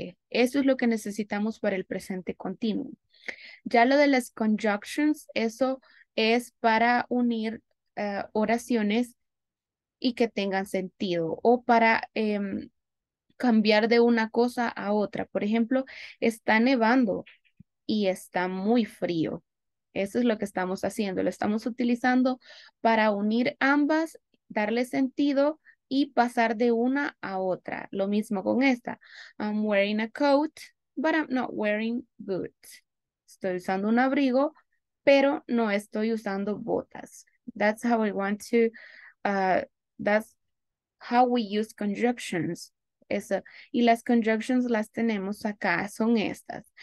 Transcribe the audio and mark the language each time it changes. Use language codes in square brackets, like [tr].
[es] Eso es lo que necesitamos para el presente continuo. Ya lo de las conjunctions, eso es para unir oraciones y que tengan sentido o para cambiar de una cosa a otra. Por ejemplo, está nevando y está muy frío. Eso es lo que estamos haciendo. Lo estamos utilizando para unir ambas, darle sentido y pasar de una a otra. Lo mismo con esta. [en] I'm wearing a coat, but I'm not wearing boots. [es] Estoy usando un abrigo, pero no estoy usando botas. [en] That's how we want to, that's how we use conjunctions. [es] Eso. Y las conjunctions las tenemos acá, son estas.